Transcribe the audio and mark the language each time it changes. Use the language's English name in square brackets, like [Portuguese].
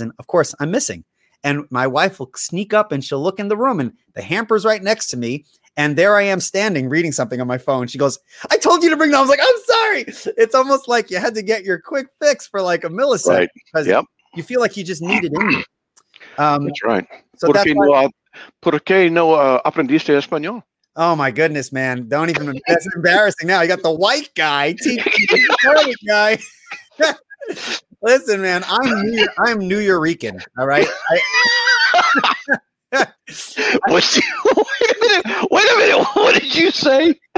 [English] And of course I'm missing. And my wife will sneak up and she'll look in the room and the hamper's right next to me. And there I am standing reading something on my phone. She goes, I told you to bring that. I was like, I'm sorry. It's almost like you had to get your quick fix for like a millisecond. Right. Because yep. You feel like you just need it in you. That's right. [Spanish] So ¿Por qué no aprendiste español? [English] Oh my goodness, man. Don't even, that's embarrassing now. You got the white guy teaching the white guy. Listen, man, I'm New Eurekan, all right? Wait a minute. What did you say?